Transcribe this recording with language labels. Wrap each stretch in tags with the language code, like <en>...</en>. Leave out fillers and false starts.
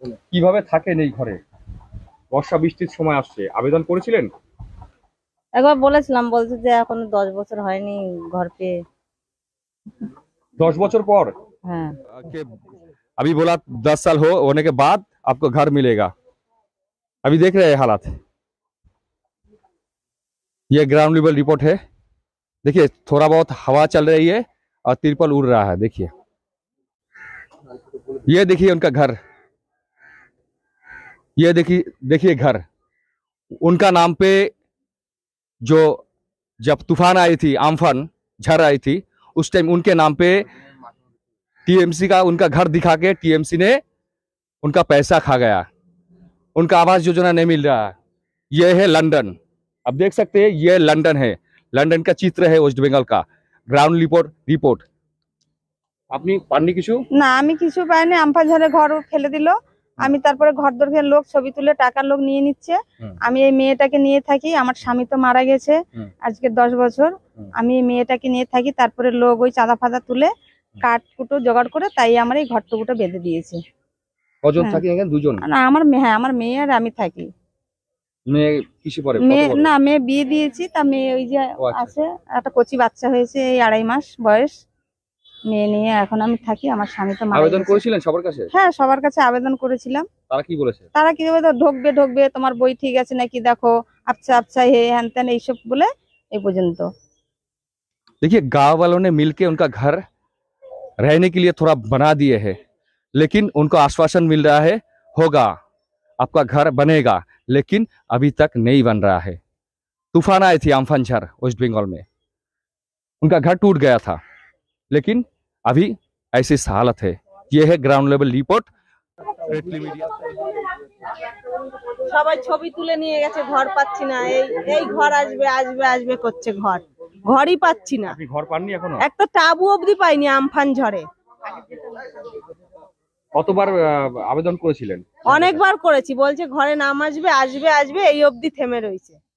<bn>কিভাবে থাকে নেই ঘরে, বর্ষা বৃষ্টির সময় আসছে, আবেদন করেছিলেন? একবার বলেছিলাম, বলছে যে এখন 10 বছর হয়নি ঘর পেয়ে। 10 বছর পর? হ্যাঁ, কে</bn> <hi>আবি বলা 10 সাল হো অনেকে বাদ আপকো ঘর মিলেগা, আবি দেখ রে হালাত। ये ग्राउंड लेवल रिपोर्ट है, देखिए थोड़ा बहुत हवा चल रही है और तिरपल उड़ रहा है, देखिए ये देखिए उनका घर, ये देखिए देखिए घर उनका नाम पे, जो जब तूफान आई थी, आमफान झड़ आई थी, उस टाइम उनके नाम पे टीएमसी का उनका घर दिखा के टीएमसी ने उनका पैसा खा गया, उनका आवास योजना नहीं मिल रहा। यह है लंदन, अब देख सकते हैं ये लंदन है, लंदन का चित्र है वेस्ट बंगाल का। Ground report report.</hi> <bn>আপনি পাননি কিছু? না, আমি কিছু পাইনি, আমফান ঝড়ে ঘর ফেলে দিল, আমি তারপরে ঘর দরকে লোক ছবি তুলে টাকার লোক নিয়ে নিচ্ছে, আমি এই মেয়েটাকে নিয়ে থাকি, আমার স্বামী তো মারা গেছে আজকে 10 বছর, আমি এই মেয়েটাকে নিয়ে থাকি, তারপরে লোক ওই চাঁদা ফাঁদা তুলে কাঠকুটো জোগাড় করে তাই আমার এই ঘরটুকুটো বেঁধে দিয়েছে। কজন থাকি এখানে? দুজন। না, আমার মেয়ে, আমার মেয়ে আর আমি থাকি। ঢোকবে ঢোকবে, তোমার বই ঠিক আছে নাকি দেখো, আচ্ছা আচ্ছা হে হ্যান ত্যান এইসব বলে এই পর্যন্ত।</bn> <hi>দেখি গাঁও বালোনে মিলকে উনকা ঘর রহনে কে লিয়ে থোড়া বনা দিয়ে হে, लेकिन उनको आश्वासन मिल रहा है होगा, आपका घर बनेगा, लेकिन अभी तक नहीं बन रहा है। तूफान आए थे अम्फान झड़ वेस्ट बंगाल में, उनका घर टूट गया था, लेकिन अभी ऐसी हालत है। ये है ग्राउंड लेवल रिपोर्ट।</hi> <bn>সবাই ছবি তুলে নিয়ে গেছে, ঘর পাচ্ছি না, এই এই ঘর আসবে আসবে আসবে করছে, ঘর ঘরই পাচ্ছি না। আপনি ঘর পাননি এখনো? একটা টাবু অবধি পাইনি আমফান ঝড়ে। কতবার আবেদন করেছিলেন? অনেকবার করেছি, বলছে ঘরে নাম আসবে আসবে আসবে, এই অবধি থেমে রয়েছে।</bn>